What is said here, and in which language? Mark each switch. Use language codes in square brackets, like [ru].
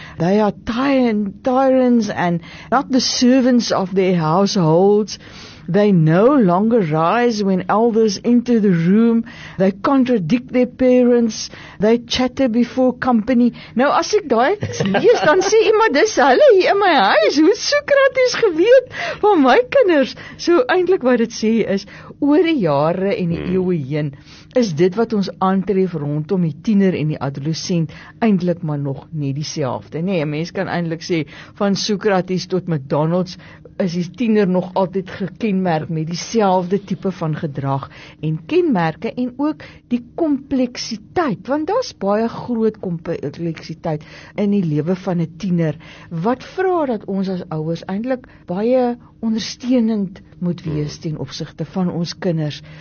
[en] They are tyrants and not the servants of their households. They no longer rise when elders enter the room. They contradict their parents. They chatter before company. [af] Nou, as ek daai lees, dan sê jy, maar dis hulle hier in my huis. Hoe Sokrates geweet van my kinders? So, eintlik wat dit sê is, oor die jare en die eeuwe heen, is dit wat ons aantref rondom die tiener en die adolescent eintlik maar nog net dieselfde. Nee, 'n mens kan eintlik sê, van Sokrates tot McDonald's, is die tiener nog altyd gekenmerk met dieselfde tipe van gedrag en kenmerke en ook die kompleksiteit, want daar's baie groot kompleksiteit in die lewe van 'n tiener wat vra dat ons as ouers eintlik baie ondersteunend moet wees ten opsigte van ons kinders.